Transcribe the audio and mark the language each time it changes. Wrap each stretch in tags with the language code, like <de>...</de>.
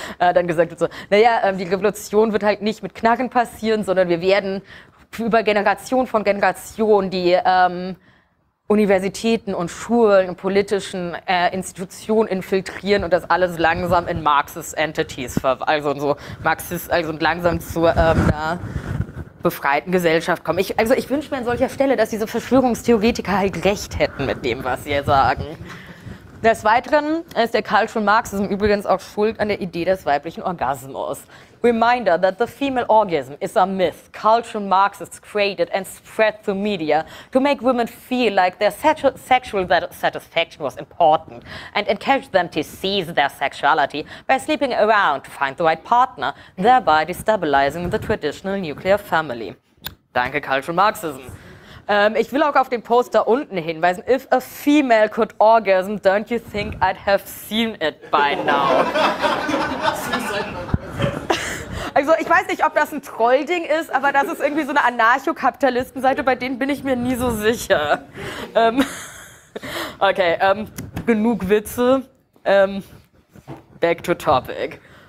<de>Dann gesagt so, naja, die Revolution wird halt nicht mit Knacken passieren, sondern wir werden über Generation von Generation die Universitäten und Schulen und politischen Institutionen infiltrieren und das alles langsam in Marxist Entities langsam zur einer befreiten Gesellschaft kommen. Ich wünsche mir an solcher Stelle, dass diese Verschwörungstheoretiker halt recht hätten mit dem, was sie sagen. Des Weiteren ist der Cultural Marxism übrigens auch schuld an der Idee des weiblichen Orgasmus.</de> <en>Reminder that the female orgasm is a myth cultural Marxists created and spread through media to make women feel like their sexual satisfaction was important and encourage them to seize their sexuality by sleeping around to find the right partner, thereby destabilizing the traditional nuclear family.</en> <de>Danke, Cultural Marxism. Ich will auch auf den Poster unten hinweisen.</de> <en>If a female could orgasm, don't you think I'd have seen it by now?</en> <de>Also ich weiß nicht, ob das ein Trollding ist, aber das ist irgendwie so eine Anarcho-Kapitalisten-Seite, bei denen bin ich mir nie so sicher. Genug Witze.</de> <en>Back to topic.</en>